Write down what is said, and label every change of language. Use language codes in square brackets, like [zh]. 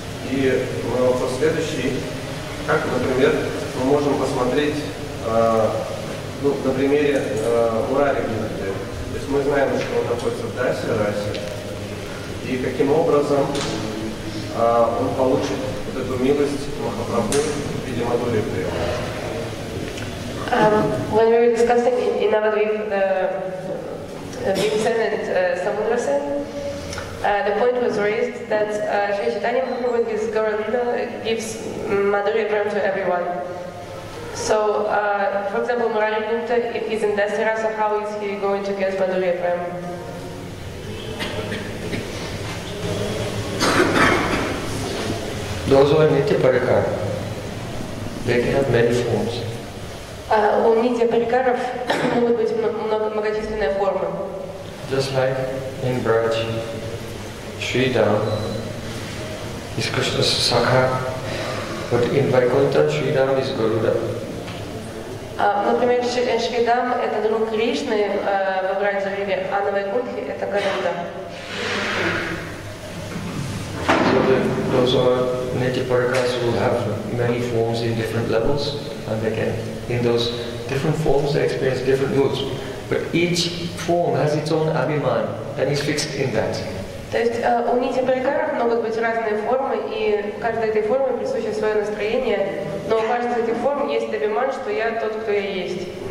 [ru] И мой вопрос следующий. Как, например, мы можем посмотреть на примере Мурари Гинатри? То есть мы знаем, что он находится в Дасе, Расе, и каким образом он получит вот эту милость Махапрабху в виде Мадхури Премы. [en] When we were discussing in Navadvipa the Bhimsen and Samudrasen, the point was raised that Sri Chaitanya Mahaprabhu with his Gaura Lila gives Madhurya Prema to everyone. So, for example, Murari Gupta, if he's in Dasya Rasa, how is he going to get Madhurya Prema? Those who are Nitya Parikar, they can have many forms. [ru] У Нитья Парикаров могут быть многочисленные формы. [en] Just like in Braj, Shridhar, is Krishna Sakha, but in Vaikuntha, Shridhar is Garuda. [ru] Например, Шридам – это друг Кришны в Браджа-Риве, а на Вайкунтхе – это Гаруда. [en] So those are Nitya Parikars who have many forms in different levels, and they can. In those different forms, they experience different moods. But each form has its own abhiman, and is fixed in that. [ru] То есть у Нити Парикаров могут быть разные формы, и каждой этой форме присуще свое настроение, но у каждой этой формы есть абиман, что я тот, кто я есть.